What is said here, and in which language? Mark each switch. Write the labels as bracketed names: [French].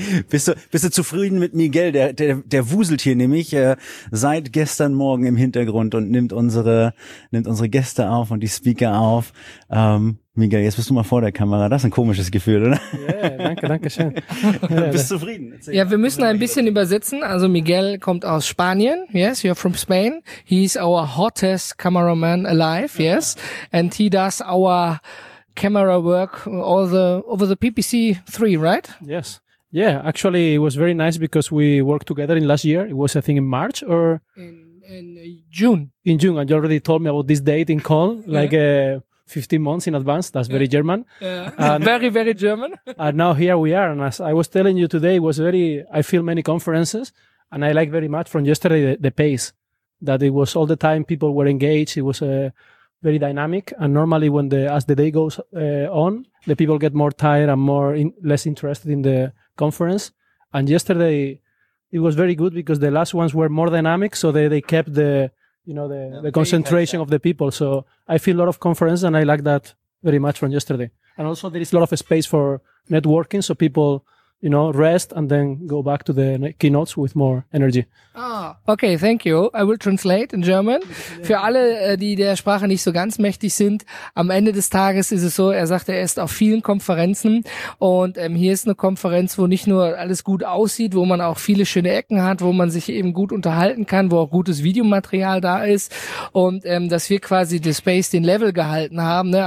[German] Bist du zufrieden mit Miguel? Der wuselt hier nämlich seit gestern Morgen im Hintergrund und nimmt unsere Gäste auf und die Speaker auf. Miguel, jetzt bist du mal vor der Kamera. Das ist ein komisches Gefühl, oder? Ja, danke schön. Bist du zufrieden? Ja, wir müssen ein bisschen übersetzen. Also Miguel kommt aus Spanien. [English] Yes, you're from Spain. He's our hottest cameraman alive. Yes, and he does our camera work all the over the PPC 3, right? Yes. Yeah, actually, it was very nice because we worked together in last year. It was, I think, in March or... In June. In June. And you already told me about this date in Köln, like 15 months in advance. That's very German. Yeah. Very, very German. And now here we are. And as I was telling you today, it was very... I feel many conferences and I like very much from yesterday the pace that it was all the time people were engaged. It was very dynamic. And normally when as the day goes on, the people get more tired and less interested in the conference. And yesterday it was very good because the last ones were more dynamic, so they kept the concentration of the people. So I feel a lot of conference and I like that very much from yesterday. And also there is a lot of space for networking, so people you know, rest and then go back to the keynotes with more energy. Ah, okay, thank you. I will translate in German. [German] Für alle, die der Sprache nicht so ganz mächtig sind, am Ende des Tages ist es so, er sagt, er ist auf vielen Konferenzen und hier ist eine Konferenz, wo nicht nur alles gut aussieht, wo man auch viele schöne Ecken hat, wo man sich eben gut unterhalten kann, wo auch gutes Videomaterial da ist und dass wir quasi den Space, den Level gehalten haben. Ne?